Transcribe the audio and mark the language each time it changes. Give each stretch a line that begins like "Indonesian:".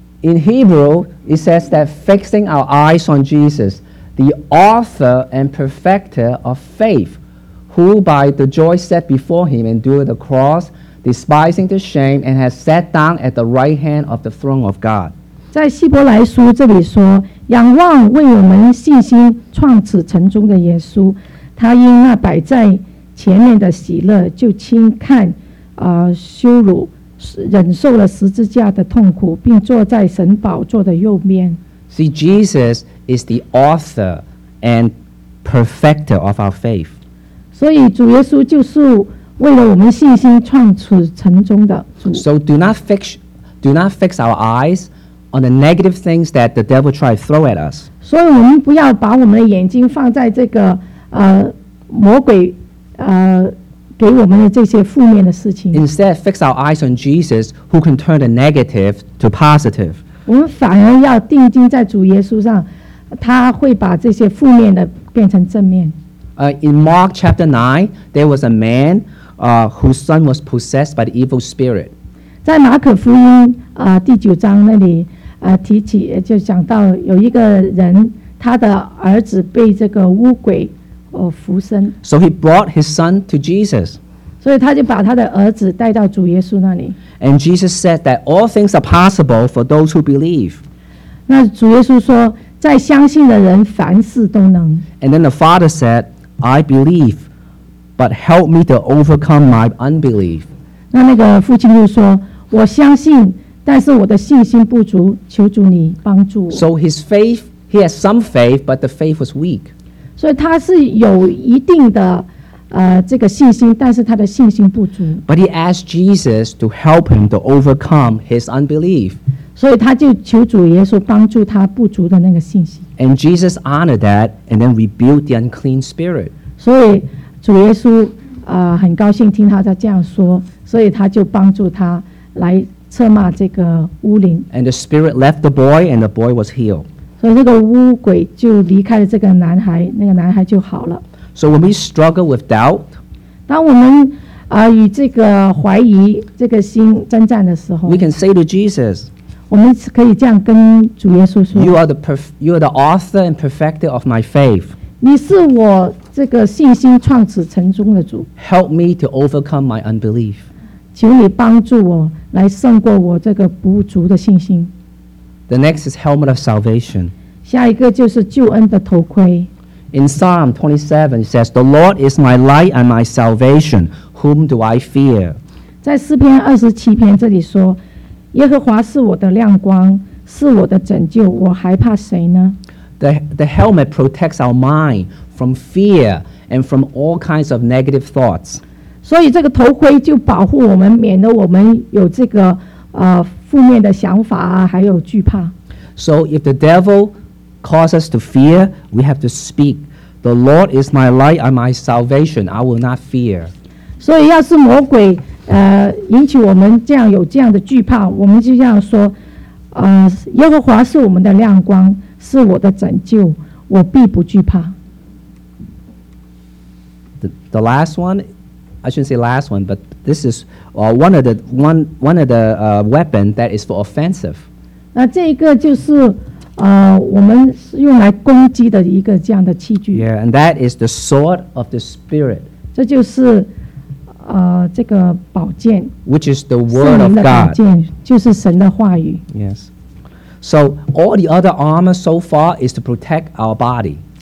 English: In Hebrew, it says that fixing our eyes on Jesus, the author and perfecter of faith. Who by the joy set before him endured the cross, despising the shame, and has sat down at the right hand of the throne of God.
Chinese: 在希伯来书这里说，仰望为我们信心创始成终的耶稣，他因那摆在前面的喜乐，就轻看羞辱，忍受了十字架的痛苦，并坐在神宝座的右边。
English: See, Jesus is the author and perfecter of our faith.
Chinese: 所以主耶稣就是为了我们信心创始成终的主。
English: So do not fix, do not fix our eyes on the negative things that the devil tried to throw at us.
Chinese: 所以我们不要把我们的眼睛放在这个魔鬼给我们的这些负面的事情。
English: Instead, fix our eyes on Jesus, who can turn the negative to positive.
Chinese: 我们反而要定睛在主耶稣上，他会把这些负面的变成正面。
English: In Mark chapter 9, there was a man whose son was possessed by the evil spirit.
Chinese: 在马可福音第九章那里提起就讲到有一个人，他的儿子被这个巫鬼附身。
English: So he brought his son to Jesus.
Chinese: 所以他就把他的儿子带到主耶稣那里。
English: And Jesus said that all things are possible for those who believe.
Chinese: 那主耶稣说，在相信的人凡事都能。
English: And then the father said, I believe, but help me to overcome my unbelief.
Chinese: 那个父亲就说，我相信，但是我的信心不足，求主你帮助我。
English: So his faith, he has some faith, but the faith was weak.
Chinese: 所以他是有一定的这个信心，但是他的信心不足。
English: But he asked Jesus to help him to overcome his unbelief.
Chinese: 所以他就求主耶稣帮助他不足的那个信心。
English: And Jesus honored that and then rebuked the unclean spirit.
Chinese: 所以主耶稣很高兴听他在这样说，所以他就帮助他来策骂这个巫灵。
English: And the spirit left the boy, and the boy was healed.
Chinese: 所以那个巫鬼就离开了这个男孩，那个男孩就好了。
English: So when we struggle with doubt,
Chinese: 当我们与这个怀疑这个心征战的时候
English: ，we can say to Jesus,
Chinese: 我们可以这样跟主耶稣说
English: ，You are the author and perfecter of my faith.
Chinese: 你是我这个信心创始成终的主。
English: Help me to overcome my unbelief.
Chinese: 请你帮助我。来胜过我这个不足的信心。
English: The next is helmet of salvation.
Chinese: 下一个就是救恩的头盔。
English: In Psalm 27, it says, "The Lord is my light and my salvation. Whom do I fear?"
Chinese: 在诗篇二十七篇这里说，耶和华是我的亮光，是我的拯救，我还怕谁呢
English: ？The helmet protects our mind from fear and from all kinds of negative thoughts.
Chinese: 所以这个头盔就保护我们，免得我们有这个负面的想法啊，还有惧怕。
English: So if the devil causes us to fear, we have to speak. The Lord is my light and my salvation. I will not fear.
Chinese: 所以要是魔鬼引起我们这样有这样的惧怕，我们就这样说：耶和华是我们的亮光，是我的拯救，我必不惧怕。
English: The last one. I shouldn't say last one, but this is one of the weapon that is for offensive.
Chinese: 那这一个就是我们用来攻击的一个这样的器具。
English: Yeah, and that is the sword of the spirit.
Chinese: 这就是这个宝剑。
English: Which is the word of God.
Chinese: 圣灵的宝剑就是神的话语。
English: Yes. So all the other armor so far is to protect our body.